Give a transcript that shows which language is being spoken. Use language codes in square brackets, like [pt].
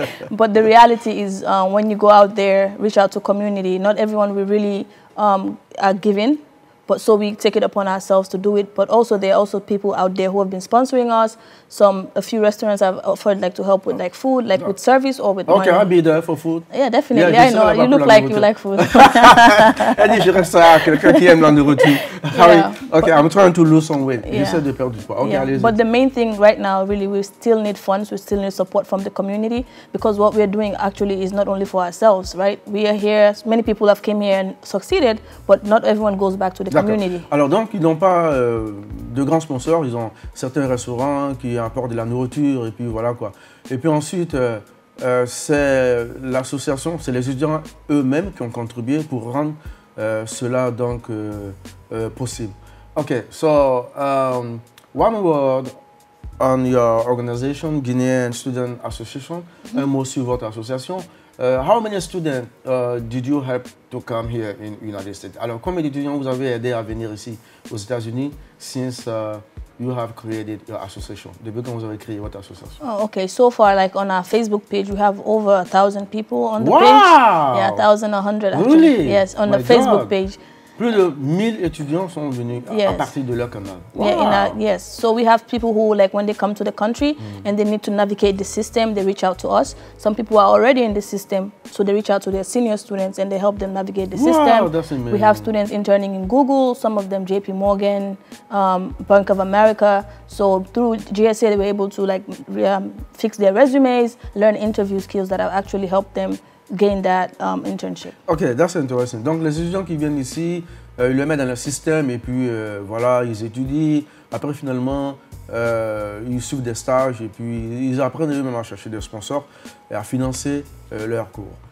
[en] But the reality is when you go out there, reach out to community, not everyone will really are giving, but so we take it upon ourselves to do it. But also there are also people out there who have been sponsoring us. A few restaurants have offered like to help with like food, like with service or with money. I'll be there for food. Yeah, definitely. Yeah, I know. You look like you like food. [fr] Elle dit, je resterai à quelqu'un qui aime la nourriture. [en] I'm trying to lose some weight. Yeah. [fr] J'essaie de perdre du poids. Allez-y. [en] But the main thing right now, really, we still need funds. We still need support from the community because what we're doing actually is not only for ourselves, right? We are here. Many people have came here and succeeded, but not everyone goes back to the community. [fr] Alors donc, ils n'ont pas de grands sponsors. Ils ont certains restaurants qui apportent de la nourriture et puis voilà quoi. Et puis ensuite, c'est l'association, c'est les étudiants eux-mêmes qui ont contribué pour rendre cela donc possible. [en] Okay, so one word on your organization, Guinean Student Association. Mm-hmm. [fr] Un mot sur votre association. [en] How many students did you help to come here in United States? [fr] Alors, combien d'étudiants vous avez aidé à venir ici aux États-Unis [en] since you have created your association? [fr] Depuis quand vous avez créé votre association? [en] Oh, okay, so far, like on our Facebook page, we have over 1,000 people on the page. Wow! Yeah, 1,100 actually. Really? Yes, on the Facebook page. [fr] Plus de 1,000 étudiants sont venus à partir de leur canal. [en] Wow. Yeah, yes. So we have people who, like, when they come to the country and they need to navigate the system, they reach out to us. Some people are already in the system, so they reach out to their senior students and they help them navigate the system. Wow, that's amazing. We have students interning in Google, some of them JP Morgan, Bank of America. So through GSA, they were able to, like, fix their resumes, learn interview skills that have actually helped them gain that internship. Ok, that's interesting. [fr] Donc les étudiants qui viennent ici, ils le mettent dans le système et puis voilà, ils étudient. Après finalement, ils suivent des stages et puis ils apprennent eux-mêmes à chercher des sponsors et à financer leurs cours.